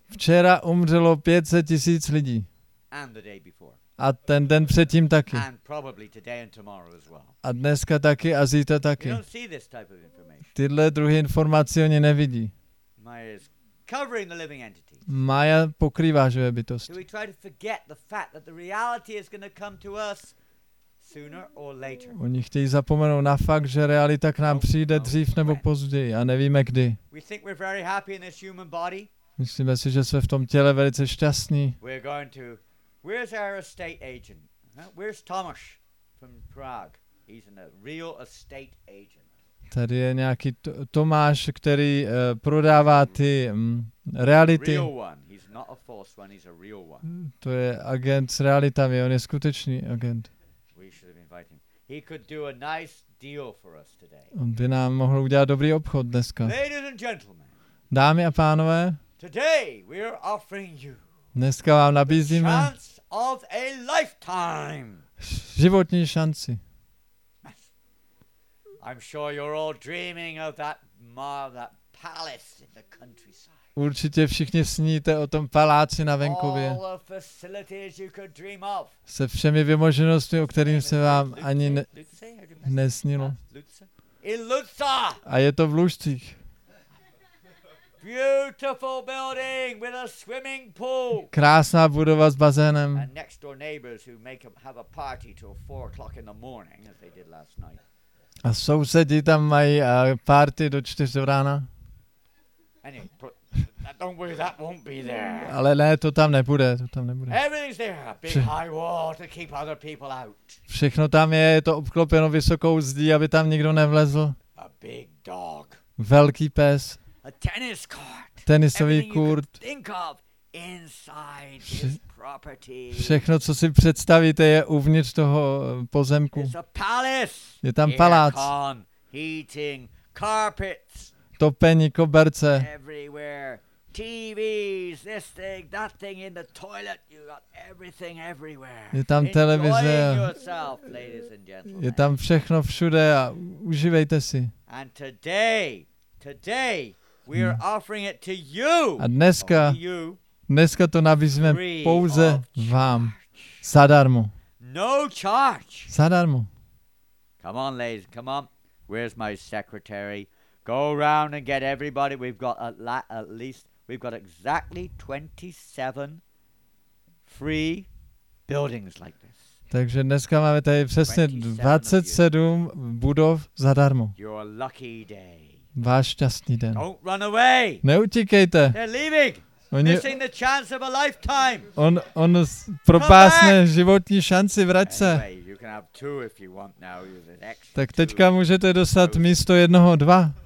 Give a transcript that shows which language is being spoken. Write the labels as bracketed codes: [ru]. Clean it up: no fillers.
[cs] Včera umřelo 500 tisíc lidí. [en] And the day before. [cs] A ten den předtím taky. [en] And probably today and tomorrow as well. [cs] A dneska taky a zítra taky. [en] You don't see this type of information. [cs] Tyhle druhy informací oni nevidí. [en] Maya is covering the living entity. [cs] Maya pokrývá živé bytosti. [en] Do we try to forget the fact that the reality is going to come to us sooner or later? [cs] Oni chtějí zapomenout na fakt, že realita k nám přijde dřív nebo později a nevíme kdy. [en] We think we're very happy in this human body. [cs] Myslíme si, že jsme v tom těle velice šťastní. [en] Where's our estate agent? Where's Tomáš from Prague? He's a real estate agent. [cs] Tady je nějaký Tomáš, který prodává ty reality. [en] Real one. He's an not a false one, he's a real one. [cs] To je agent s realitami, on je skutečný agent. [en] We should have invited him. He could do a nice deal for us today. [cs] On by nám mohl udělat dobrý obchod dneska. [en] Ladies and gentlemen. [cs] Dámy a pánové. [en] Today we are offering you. [cs] Dneska vám nabízíme. [en] The chance of a lifetime. [cs] Životní šanci. [en] I'm sure you're all dreaming of that that palace in the countryside. [cs] Určitě všichni sníte o tom paláci na venkově. [en] All the facilities you could dream of. [cs] Se všemi vymoženostmi, o kterým se vám ani nesnilo. Lutsa. A je to v Lužcích. [en] Beautiful building with a swimming pool. [cs] Krásná budova s bazénem. [en] And next door neighbors who make them have a party till 4 o'clock in the morning, as they did last night. [cs] A sousedi tam mají party do 4 rána. [en] Don't worry, that won't be there. [cs] Ale ne, to tam nebude, to tam nebude. [en] Everything's there, a big high wall to keep other people out. [cs] Všechno tam je, je to obklopeno vysokou zdí, aby tam nikdo nevlezl. [en] A big dog. [cs] Velký pes. [en] A tennis court. [cs] Tenisový kurt. [en] Think of inside his property. [cs] Všechno, co si představíte, je uvnitř toho pozemku. [en] It's a palace. [cs] Je tam palác. [en] Aircon, heating, carpets. [cs] Topení, koberce. [en] Everywhere. TVs, this thing, that thing in the toilet. You got everything everywhere. [cs] Je tam televize. [en] Enjoying yourself, ladies and gentlemen. [cs] Je tam všechno všude a užívejte si. [en] And today, today, we are offering it to you. [cs] A dneska, dneska to nabízíme pouze vám. Zadarmo. [en] No charge. [cs] Zadarmo. [en] Come on, ladies, come on. Where's my secretary? Go around and get everybody. We've got at least, we've got exactly 27 free buildings like this. [cs] Takže dneska máme tady přesně 27 budov zadarmo. [en] Your lucky day. [cs] Váš šťastný den. [en] Don't run away. [cs] Neutíkejte. [en] They're leaving. Missing the chance of a lifetime. [cs] On propásne životní šanci, vrať se. [en] Anyway, you can have two if you want now. [cs] Tak teďka můžete dostat místo jednoho, dva.